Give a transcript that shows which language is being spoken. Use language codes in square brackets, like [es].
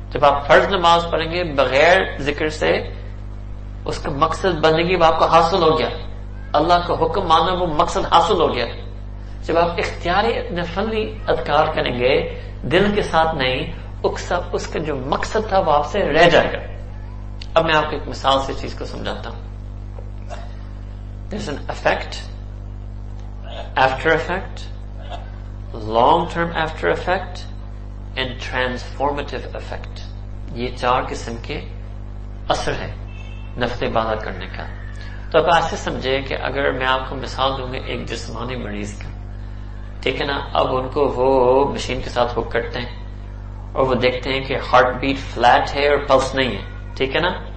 [hi] जब आप फर्ज नमाज पढ़ेंगे बगैर जिक्र से, उसका मकसद बंदगी वो आपको हासिल हो गया, अल्लाह का हुक्म माना वो मकसद हासिल हो गया। जब आप इख्तियारी नफली अज़कार करेंगे दिल के साथ नहीं, उसका जो मकसद था वो आपसे रह जाएगा। अब मैं आपको एक मिसाल से चीज को समझाता हूं। [en] There's an effect, after effect, long-term after effect, and transformative effect. [hi] ये चार किस्म के असर है नफल इबादत करने का। तो आप ऐसे समझे कि अगर मैं आपको मिसाल दूंगा एक जिस्मानी मरीज का, ठीक है ना, अब उनको वो मशीन के साथ हुक करते हैं और वो देखते हैं कि हार्ट बीट फ्लैट है और पल्स नहीं है, ठीक है ना।